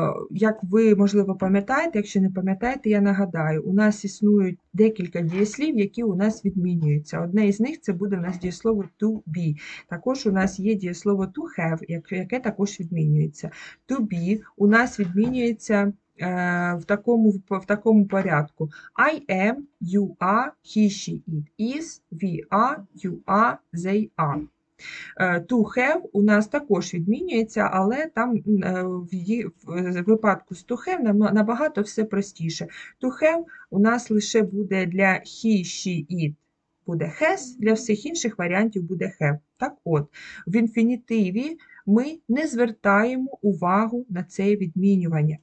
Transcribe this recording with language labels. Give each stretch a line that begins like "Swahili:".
Ukrainian: Як ви, можливо, пам'ятаєте, якщо не пам'ятаєте, я нагадаю, у нас існують декілька дієслів, які у нас відмінюються. Одне із них – це буде у нас дієслово to be. Також у нас є дієслово to have, яке також відмінюється. To be у нас відмінюється в такому порядку.
English: I am, you are, he, she, it is, we are, you are, they are.
Ukrainian: To have у нас також відмінюється, але там в випадку з to have набагато все простіше. To have у нас лише буде для he, she, it буде has, для всіх інших варіантів буде have. Так от, в інфінітиві ми не звертаємо увагу на це відмінювання.